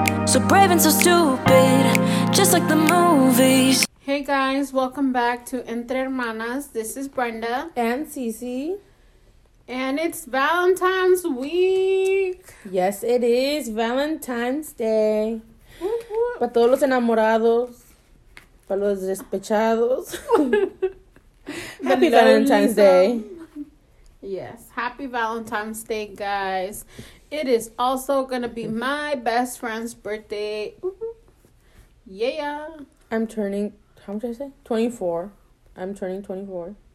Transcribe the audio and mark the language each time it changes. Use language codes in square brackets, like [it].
[en] So brave and so stupid, just like the movies. Hey guys, welcome back to Entre Hermanas. This is Brenda. And Cece. And it's Valentine's week. Yes, it is Valentine's Day. Woo-hoo. [es] Para todos los enamorados, para los despechados. [en] Happy Valentine's Day. Yes, happy Valentine's Day, guys. It is also going to be my best friend's birthday. Woo-hoo. Yeah. I'm turning, how much did I say? 24. I'm turning 24.